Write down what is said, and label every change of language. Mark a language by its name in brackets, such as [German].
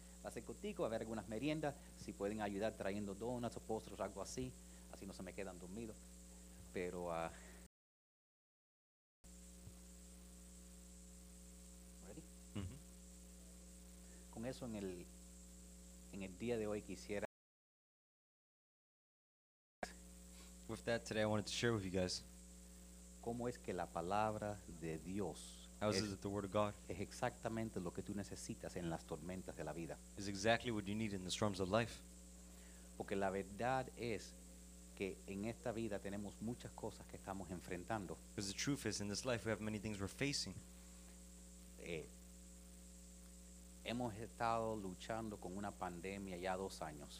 [Spanish] Va a ser cortico, va a haber algunas meriendas, si pueden ayudar trayendo donuts o postres o algo así, así no se me quedan dormidos. Pero con eso en el día de hoy quisiera. [English] With that today, I wanted to share with you guys. [Spanish] ¿Cómo es que la palabra de Dios? [English] How is it that the word of God? [Spanish] Es exactamente lo que tú necesitas en las tormentas de la vida. [English] Is exactly what you need in the storms of life. [Spanish] Porque la verdad es que en esta vida tenemos muchas cosas que estamos enfrentando. [English] Because the truth is, in this life, we have many things we're facing. [Spanish] Hemos estado luchando con una pandemia ya dos años.